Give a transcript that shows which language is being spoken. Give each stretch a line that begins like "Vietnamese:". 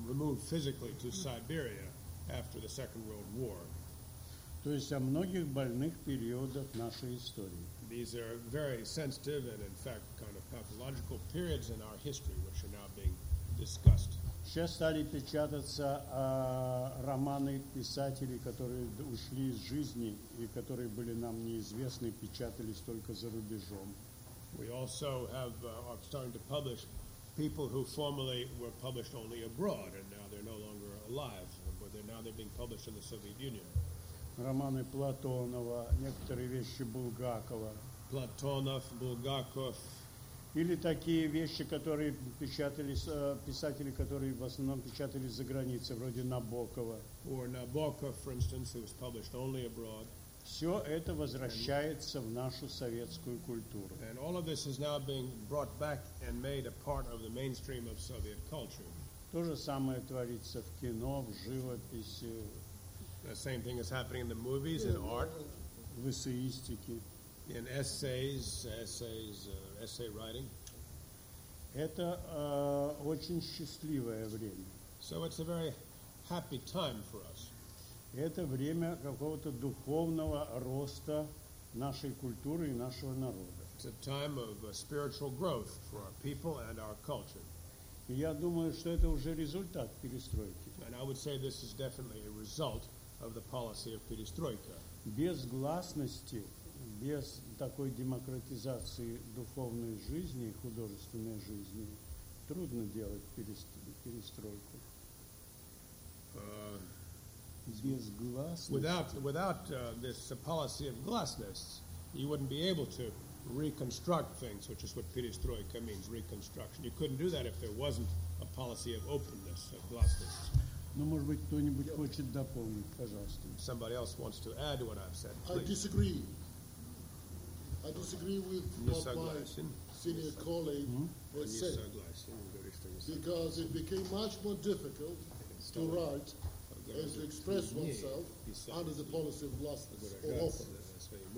English: removed physically to Siberia after the Second World War.
Russian: То есть о многих больных периодах нашей истории.
English: These are very sensitive and, in fact, kind of pathological periods in our history, which are now being discussed.
Russian: Сейчас стали печататься романы писателей, которые ушли из жизни и которые были нам неизвестны, печатались только за рубежом.
English: We also have are starting to publish people who formerly were published only abroad, and now they're no longer alive, but they're now they're being published in the Soviet Union.
Russian: Романы Платонова, некоторые вещи Булгакова. Платонов, Булгаков. Или такие вещи, которые печатались, писатели, которые в основном печатались за границей, вроде Набокова.
English: Or Nabokov, for instance, who was published only abroad.
Russian: Все это возвращается в нашу советскую культуру.
English: And all of this is now being brought back and made a part of the mainstream of Soviet culture.
Russian: То же самое творится в кино, в живописи.
English: The same thing is happening in the movies, in art,
Russian: в эссеистике,
English: in essays, essay writing.
Russian: Это очень счастливое время.
English: So it's a very happy time for us.
Russian: Это время какого-то духовного роста нашей культуры и нашего народа.
English: It's a time of spiritual growth for our people and our culture.
Russian: И я думаю, что это уже результат перестройки.
English: And I would say this is definitely a result of the policy of перестройка.
Russian: Без гласности, без такой демократизации духовной жизни, художественной жизни, трудно делать перестройку. Без гласности.
English: Without this policy of glasnost, you wouldn't be able to reconstruct things, which is what перестройка means, reconstruction. You couldn't do that if there wasn't a policy of openness, of glasnost.
Russian: Но, может быть, кто-нибудь хочет дополнить, пожалуйста.
English: Somebody else wants to add what I've said. Please. I disagree with what my senior colleague has said. Because it became much more difficult to write and to express oneself under the policy of glasnost or openness.